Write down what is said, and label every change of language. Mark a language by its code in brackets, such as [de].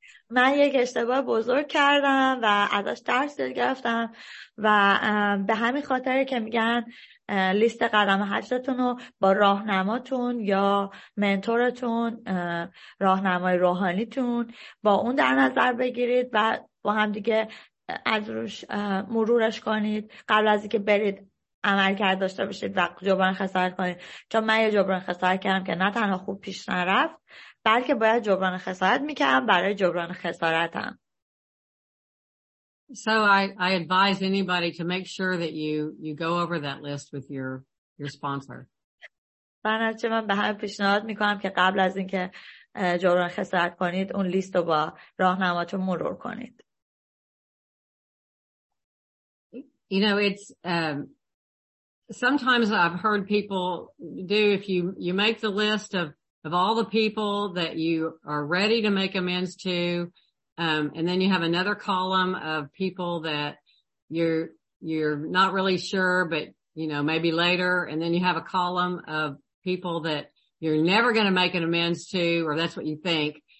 [fa] من یک اشتباه بزرگ کردم و ازش درس گرفتم و به همین خاطر که میگن لیست قدم هشتتون رو با راهنماتون یا منتورتون راهنمای روحانیتون با اون در نظر بگیرید و با هم دیگه از روش مرورش کنید قبل از اینکه برید عمل کرد داشته باشید و جبران خسارت کنید. چون من یه جبران خسارت کردم که نه تنها خوب پیش نرفت بلکه باید جبران خسارت میکردم برای جبران خسارتم. [en] So I advise anybody to make sure that you go over that list with your sponsor. [fa] بنابراین من به همه پیشنهاد میکنم که قبل از اینکه جبران خسارت کنید اون لیست رو با راهنماتون مرور کنید. [en] You know it's sometimes I've heard people do if you make the list of all the people that you are ready to make amends to, and then you have another column of people that you're not really sure, but you know, maybe later, and then you have a column of people that you're never going to make an amends to, or that's what you think.